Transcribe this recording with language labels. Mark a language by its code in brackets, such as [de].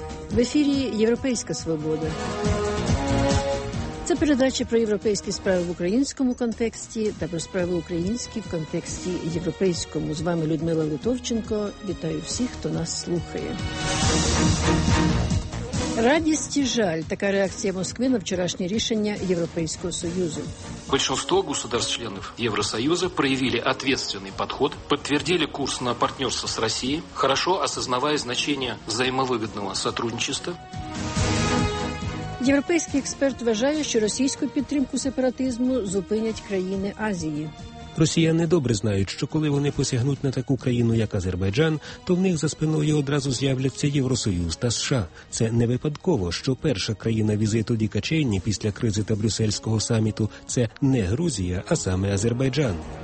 [uk] В ефірі «Європейська свобода». Це передача про європейські справи в українському контексті та про справи українські в контексті європейському. З вами Людмила Литовченко. Вітаю всіх, хто нас слухає. Радість і жаль – така реакція Москви на вчорашнє рішення Європейського Союзу. [ru] Большинство государств-членов Евросоюза проявили ответственный подход, подтвердили курс на партнерство с Россией, хорошо осознавая значение взаимовыгодного сотрудничества. [uk] Європейський експерт вважає, що російську підтримку сепаратизму зупинять країни Азії. Росіяни добре знають, що коли вони посягнуть на таку країну, як Азербайджан, то в них за спиною одразу з'являться Євросоюз та США. Це не випадково, що перша країна візиту Діка Чейні після кризи та брюссельського саміту – це не Грузія, а саме Азербайджан.